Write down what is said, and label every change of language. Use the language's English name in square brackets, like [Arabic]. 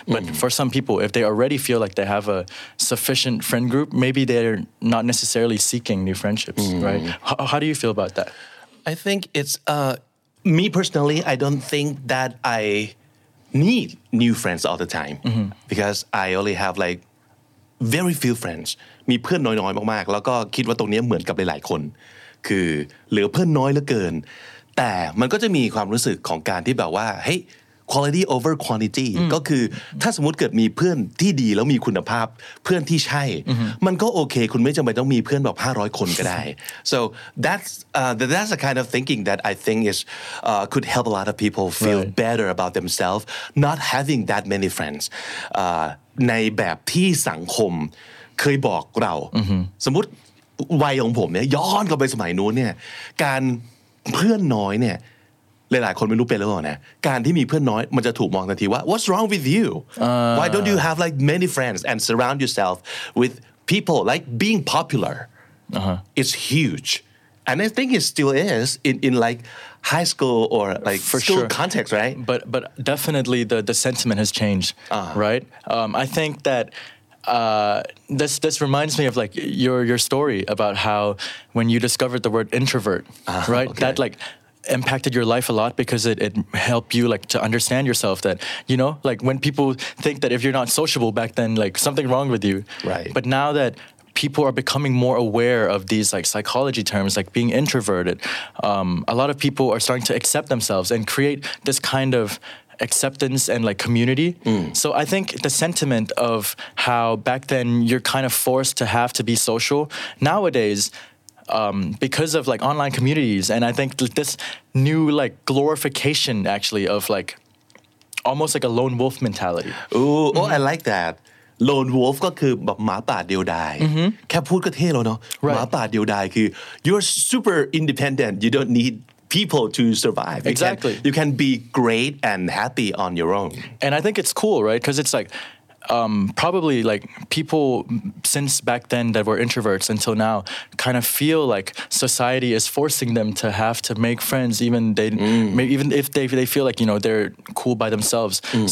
[English] But for some people, if they already feel like they have a sufficient friend group, maybe they're not necessarily seeking new friendships, right? How do you feel about that? I think it's... Me personally, I don't think that I need new friends all the time because I only have like very few friends. [Thai] มีเพื่อนน้อยๆมากๆแล้วก็คิดว่าตรงนี้เหมือนกับหลายๆคนคือเหลือเพื่อนน้อยเหลือเกิน แต่มันก็จะมีความรู้สึกของการที่แบบว่าเฮ้ย [English] quality over quantity [Thai] ก็คือถ้าสมมติเกิดมีเพื่อนที่ดีแล้วมีคุณภาพเพื่อนที่ใช่ มันก็โอเคคุณไม่จำเป็นต้องมีเพื่อนแบบ500คนก็ได้ [English] so that's the kind of thinking that I think is could help a lot of people feel right. better about themselves not having that many friends [Thai] ในแบบที่สังคมเคยบอกเราสมมติวัยของผมเนี่ยย้อนกลับไปสมัยนู้นเนี่ยการเพื่อนน้อยเนี่ยหลายๆคนไม่รู้เป็นหรือเปล่านะการที่มีเพื่อนน้อยมันจะถูกมองทันทีว่า [English] what's wrong with you why don't you have like many friends and surround yourself with people like being popular it's huge and I think it still is in like high school or like for school sure. context right but definitely the sentiment has changed right I think thatthis reminds me of like your story about how when you discovered the word introvert right okay. that like impacted your life a lot because it helped you like to understand yourself that you know like when people think that if you're not sociable back then like something wrong with you right but now that people are becoming more aware of these like psychology terms like being introverted a lot of people are starting to accept themselves and create this kind ofacceptance and like community so I think the sentiment of how back then you're kind of forced to have to be social nowadays because of like online communities and I think this new like glorification actually of like almost like a lone wolf mentality ooh mm-hmm. oh I like that lone wolf [Thai] ก็คือแบบหมาป่าเดียวดายแค่พูดก็เท่แล้วเนาะหมาป่าเดียวดายคือ [English] you're super independent you don't needpeople to survive. Exactly. You can be great and happy on your own. And I think it's cool, right? Because it's like, probably like people since back then that were introverts until now kind of feel like society is forcing them to have to make friends even they, maybe even if they feel like, you know, they're cool by themselves. Mm.